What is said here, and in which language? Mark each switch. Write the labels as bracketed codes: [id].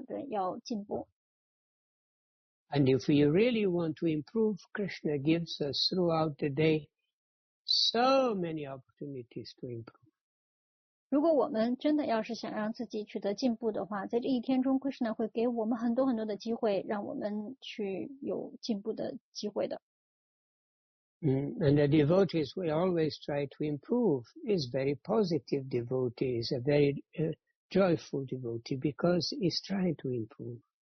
[zh] 所以说呢，为了要让我们变得完全的皈依，我们就要时刻的进行自省、检醒，而且总要想着要进步。 [en] And if you really want to improve, Krishna gives us throughout the day so many opportunities to improve. [zh] 如果我们真的要是想让自己取得进步的话，在这一天中 ，Krishna 会给我们很多很多的机会，让我们去有进步的机会的。 [en] And the devotees we always try to improve is very positive devotee, is a very joyful devotee because he's trying to improve.